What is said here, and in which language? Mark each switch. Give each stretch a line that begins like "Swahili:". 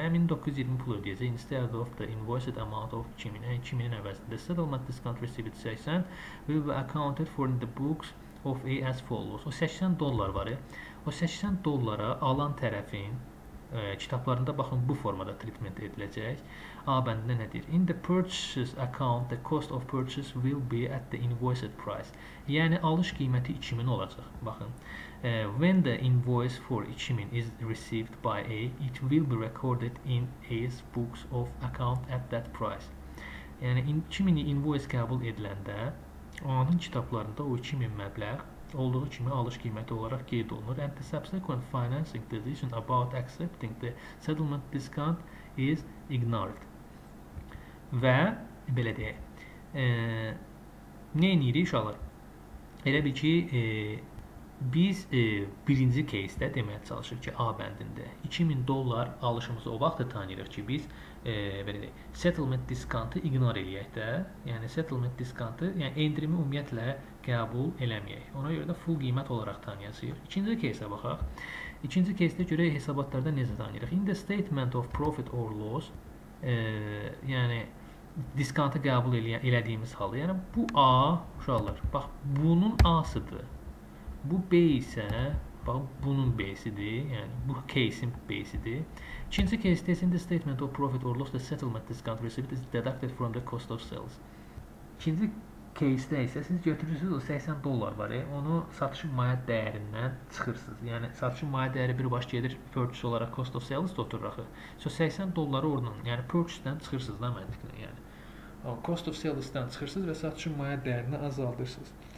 Azerbaijani: Yəni 1920 pul ödəyəcək
English: instead of the invoiced amount of 2000.
Azerbaijani: 2000-in əvəzində
English: settlement discount received 80 will be accounted for in the books of A as follows.
Azerbaijani: O 80 dollar var ya. O 80 dollara alan tərəfin kitablarında baxın bu formada treatment ediləcək. A bəndində nə deyir?
English: In the purchase account the cost of purchase will be at the invoiced price.
Azerbaijani: Yəni alış qiyməti 2000 olacaq. Baxın.
English: When the invoice for 2000 is received by A, it will be recorded in A's books of account at that price.
Azerbaijani: Yəni 2000-i invoice qəbul ediləndə onun kitablarında o 2000 məbləğ olduğu kimi alış qiyməti olaraq qeyd olunur.
English: And the subsequent financing decision about accepting the settlement discount is ignored.
Azerbaijani: Və belə deyək. Nə edirik uşaqlar? Elə bil ki, biz birinci case-də deməyə çalışırıq ki, A bəndində 2000 dollar alışımızı o vaxt da tanıyırıq ki, biz belə deyək, settlement discount-ı ignore eləyək də. Yəni settlement discount-ı, yəni endirimi ümumiyyətlə qəbul eləməyək. Ona görə də full qiymət olaraq tanıyacağıq. İkinci case-ə baxaq. İkinci case-də görək hesabatlarda necə tanıyırıq.
English: In the statement of profit or loss,
Azerbaijani: yəni discount-ı qəbul elədiyimiz halda, yəni bu A uşaqlar, bax bunun A-sıdır. Bu B isə bax bunun B-sidir. Yəni bu case-in B-sidir. İkinci case-də
English: in the statement of profit or loss the settlement discount received is deducted from the cost of sales.
Azerbaijani: İkinci case-də isə siz götürürsünüz o 80 dollar var, onu satışın maya dəyərindən çıxırsınız. Yəni satışın maya dəyəri birbaşa gedir purchase olaraq cost of sales-də oturur axı. So 80 dolları oradan, yəni purchase-dən çıxırsınız da məntiqlə, yəni. O cost of sales-dən çıxırsınız və satışın maya dəyərini azaldırsınız.